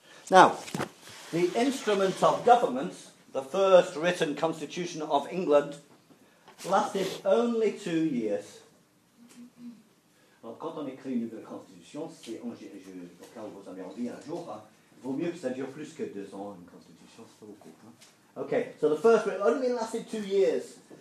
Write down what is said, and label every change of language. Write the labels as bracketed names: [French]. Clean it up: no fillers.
[English] Now, the instrument of government, the first written constitution of England, lasted only 2 years. [French] Alors, quand on écrit une nouvelle constitution, c'est pour quand vous avez envie un jour, hein, vaut mieux que ça dure plus que 2 ans, une constitution, c'est beaucoup. Hein. [English] Okay, so the first one only lasted 2 years.